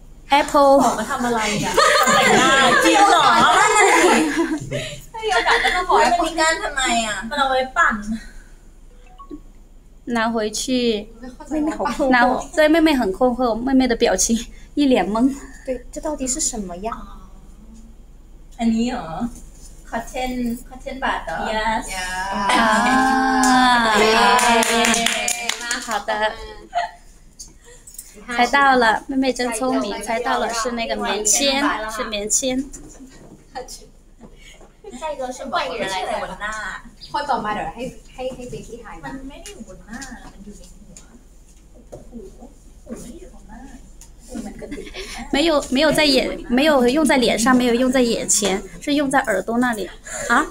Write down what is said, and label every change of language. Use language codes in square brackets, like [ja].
[en] Apple。 [zh] 拿回去，妹妹好困惑。对，妹妹很困惑，妹妹的表情一脸懵。对，这到底是什么呀？ [th] อันนี้เหรอ [en] cotton cotton bag [th] เหรอ [en] yes [zh] yeah 好的，猜到了，妹妹真聪明，猜到了是那个棉签，是棉签。下一个是换一个人来猜吧。 [th] ข้อต่อมาเดี๋ยวให้ไปที่ไทย มันไม่ได้อยู่บนหน้ามันอยู่ในหัวหูไม่อยู่บนหน้า [zh] 没有，没有在眼，没有用在脸上，没有用在眼前，是用在耳朵那里啊！